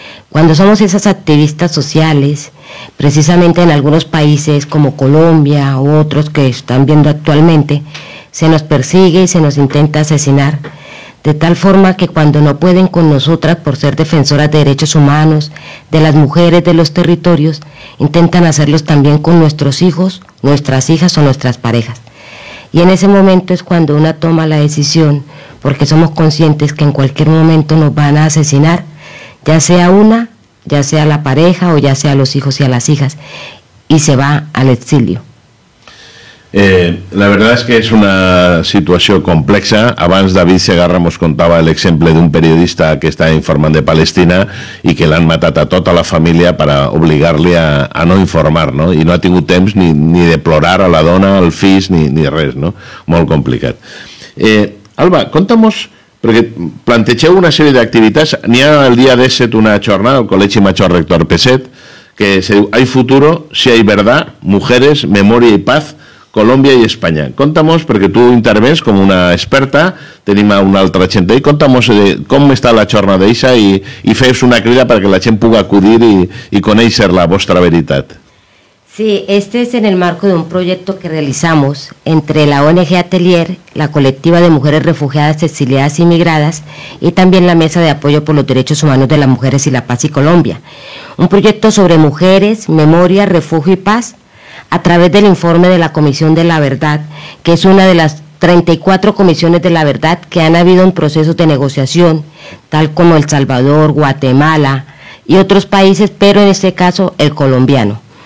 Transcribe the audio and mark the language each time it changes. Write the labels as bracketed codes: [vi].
[es] Cuando somos esas activistas sociales, precisamente en algunos países como Colombia u otros que están viendo actualmente, se nos persigue y se nos intenta asesinar, de tal forma que cuando no pueden con nosotras por ser defensoras de derechos humanos, de las mujeres, de los territorios, intentan hacerlos también con nuestros hijos, nuestras hijas o nuestras parejas. Y en ese momento es cuando una toma la decisión, porque somos conscientes que en cualquier momento nos van a asesinar, ya sea una, ya sea la pareja o ya sea los hijos y a las hijas, y se va al exilio. [ca] La verdad és que és una situació complexa. Abans David Segarra ens contava l'exemple d'un periodista que està informant de Palestina i que l'han matat a tota la família per obligar-li a no informar, no? I no ha tingut temps ni de plorar a la dona, al fill, ni res, no? Molt complicat. Alba, conta'mos, perquè plantegeu una sèrie d'activitats. N'hi ha el dia d'Esset una jornada al Col·legi Major Rector Peset que se diu Hay futuro, si hay verdad, mujeres, memoria y paz, Colòmbia i Espanya. Conta'mos, perquè tu intervens com una experta, tenim una altra gent d'ahir, conta'mos com està la jornada d'aixa i feu-vos una crida perquè la gent pugui acudir i conèixer la vostra veritat. [es] Sí, este es en el marco de un proyecto que realizamos entre la ONG Atelier, la colectiva de mujeres refugiadas, exiliadas y migradas, y también la Mesa de Apoyo por los Derechos Humanos de las Mujeres y la Paz y Colombia. Un proyecto sobre mujeres, memoria, refugio y paz, a través del informe de la Comisión de la Verdad, que es una de las 34 comisiones de la verdad que han habido en procesos de negociación, tal como El Salvador, Guatemala y otros países, pero en este caso el colombiano.